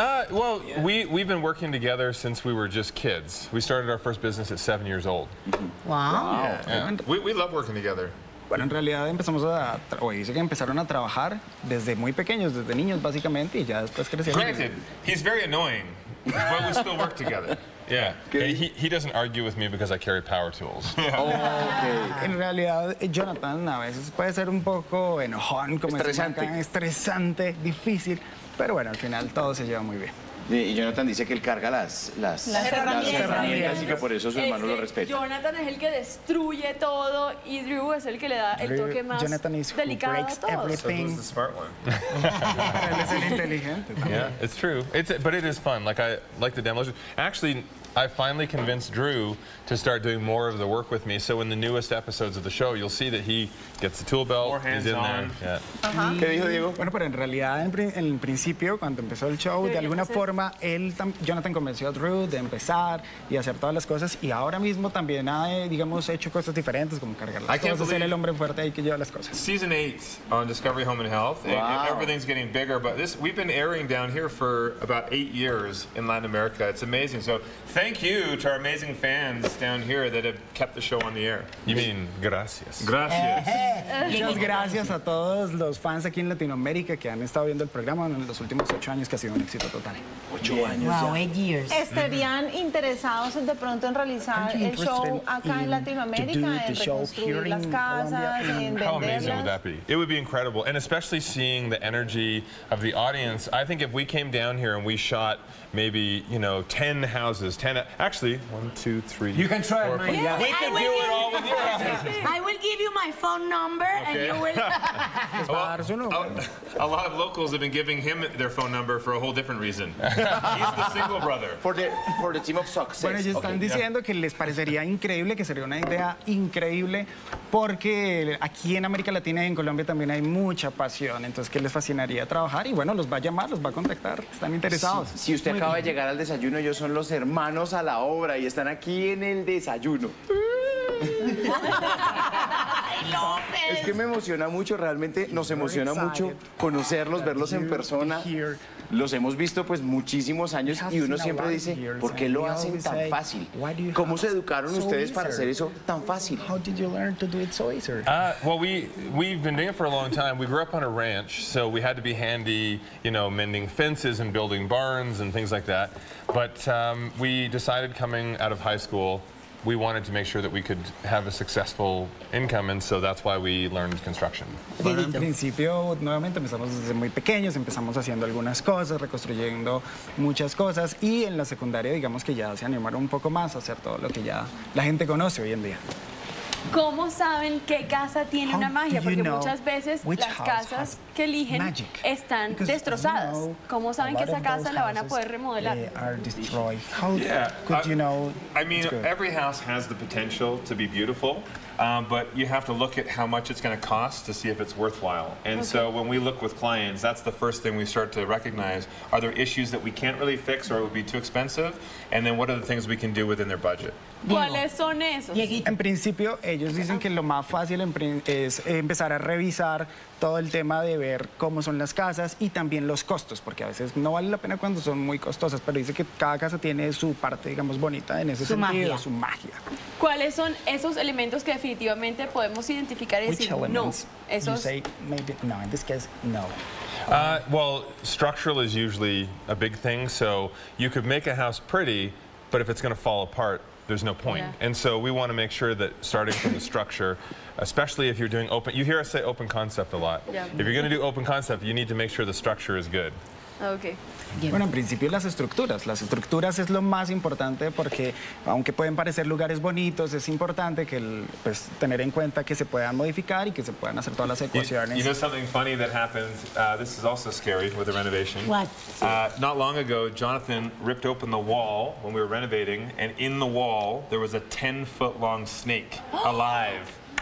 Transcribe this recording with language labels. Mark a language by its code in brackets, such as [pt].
[en] Well, we've been working together since we were just kids. We started our first business at 7 years old. Wow. Yeah. We love working together. [es] Bueno, en realidad empezamos a... O dice que empezaron a trabajar desde muy pequeños, desde niños, básicamente, y ya después crecieron. [en] Granted, he's very annoying, but we still work together. Yeah, he doesn't argue with me because I carry power tools. Oh, okay. [es] En realidad, Jonathan a veces puede ser un poco enojón, como estresante. Es estresante, difícil, pero bueno, al final todo se lleva muy bien. Y Jonathan dice que él carga las herramientas y que por eso su hermano lo respeta. Jonathan es el que destruye todo y Drew es el que le da el toque más [en] Jonathan is [es] delicado a todos. [en] Everything. So he's the smart one. [es] Él es el inteligente. [en] Yeah, it's true. But it is fun. Like, I like the demolition. Actually, I finally convinced Drew to start doing more of the work with me. So in the newest episodes of the show, you'll see that he gets the tool belt. More hands he's in on. There. Yeah. [es] Uh-huh. ¿Qué dijo Diego? Bueno, pero en realidad, en principio, cuando empezó el show, de alguna forma, Jonathan convenció a Drew de empezar y hacer todas las cosas. Y ahora mismo también ha, digamos, hecho cosas diferentes, como cargar las cosas, ser el hombre fuerte ahí que lleva las cosas. [en] Season 8 on Discovery Home and Health. Wow. And everything's getting bigger. But this, we've been airing down here for about 8 years in Latin America. It's amazing. So thank you to our amazing fans down here that have kept the show on the air. You mean gracias. [es] Gracias. Muchas gracias a todos los fans aquí en Latinoamérica que han estado viendo el programa en los últimos 8 años, que ha sido un éxito total. 8 años. [en] Wow, 8 years. [es] ¿Estarían interesados de pronto en realizar el show acá en Latinoamérica, en reconstruir las casas, [en] How amazing would that be? It would be incredible, and especially seeing the energy of the audience. I think if we came down here and we shot maybe, you know, 10 houses, 10, actually, 1, 2, 3. You can try it, man. Yeah. We can do it all with your houses. I will give you my phone number, okay. And you will. a lot of locals have been giving him their phone number for a whole different reason. He's the single brother. For the team of success. [es] Bueno, ellos están diciendo que les parecería increíble, que sería una idea increíble, porque aquí en América Latina y en Colombia también hay mucha pasión, entonces que les fascinaría trabajar y bueno, los va a llamar, los va a contactar, están interesados. Si usted acaba de llegar al desayuno, ellos son los hermanos a la obra y están aquí en el desayuno. Es que me emociona mucho, realmente nos emociona mucho conocerlos, verlos en persona. Los hemos visto pues muchísimos años y uno siempre dice, ¿por qué lo hacen tan fácil? ¿Cómo se educaron ustedes para hacer eso tan fácil? [en] Well, we've been doing it for a long time. We grew up on a ranch, so we had to be handy, you know, mending fences and building barns and things like that. But we decided coming out of high school, we wanted to make sure that we could have a successful income, and so that's why we learned construction. [es] Bueno, en principio, nuevamente, empezamos desde muy pequeños, empezamos haciendo algunas cosas, reconstruyendo muchas cosas, y en la secundaria, digamos que ya se animaron un poco más a hacer todo lo que ya la gente conoce hoy en día. ¿Cómo saben qué casa tiene una magia? Porque muchas veces las casas que eligen están destrozadas. ¿Cómo saben que esa casa la van a poder remodelar? [en] How could you know? I mean, every house has the potential to be beautiful. But you have to look at how much it's going to cost to see if it's worthwhile. And okay. So when we look with clients, that's the first thing we start to recognize. Are there issues that we can't really fix or it would be too expensive? And then what are the things we can do within their budget? [es] ¿Cuáles son esos? En principio, ellos dicen que lo más fácil es empezar a revisar todo el tema de ver cómo son las casas y también los costos, porque a veces no vale la pena cuando son muy costosas, pero dice que cada casa tiene su parte, digamos, bonita en ese su sentido, magia. Su magia. ¿Cuáles son esos elementos que definitivamente podemos identificar y [en] which [es] decir no? Esos... [en] You say maybe, no, in this case, no. Well, structural is usually a big thing, so you could make a house pretty, but if it's going to fall apart, there's no point. Yeah. And so we want to make sure that starting from the structure, especially if you're doing open, you hear us say open concept a lot. Yeah. If you're going to do open concept, you need to make sure the structure is good. Okay. [es] Bueno, en principio las estructuras. Las estructuras es lo más importante porque aunque pueden parecer lugares bonitos, es importante que pues, tener en cuenta que se puedan modificar y que se puedan hacer todas las ecuaciones. [en] You know something funny that happened? This is also scary with the renovation. What? Not long ago, Jonathan ripped open the wall when we were renovating, and in the wall there was a 10-foot-long snake alive.